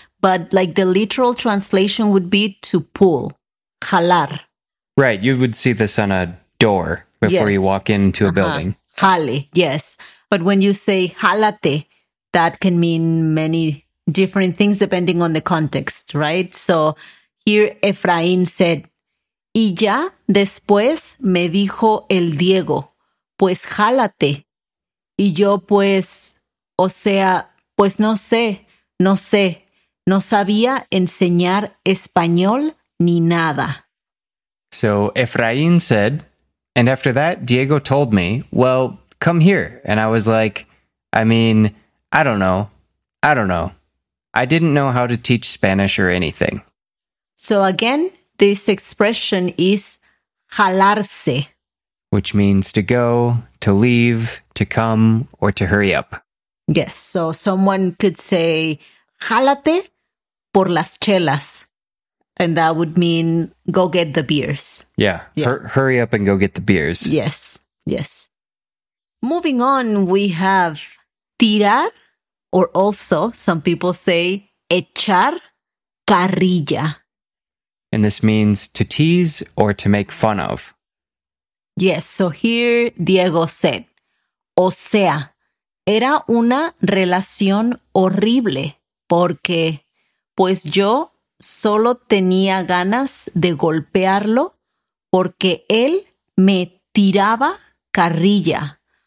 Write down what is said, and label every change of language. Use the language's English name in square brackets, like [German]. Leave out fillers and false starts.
[English] But like the literal translation would be to pull, jalar. Right, you would see this on a door before you walk into a building. Jale, yes. But when you say jalate, that can mean many different things depending on the context, right? So here Efraín said, [Spanish] y ya después me dijo el Diego, pues jálate. Y yo pues, o sea, pues no sé, no sé, no sabía enseñar español ni nada. [English] So Efraín said, and after that, Diego told me, well, come here. And I was like, I mean, I don't know. I don't know. I didn't know how to teach Spanish or anything. So again, this expression is jalarse, which means to go, to leave, to come, or to hurry up. Yes. So someone could say, [Spanish] jálate por las chelas. [English] And that would mean go get the beers. Yeah. Hurry up and go get the beers. Yes. Yes. Moving on, we have tirar, or also some people say echar carrilla. And this means to tease or to make fun of. Yes, so here Diego said, [Spanish] o sea, era una relación horrible porque pues yo solo tenía ganas de golpearlo porque él me tiraba carrilla.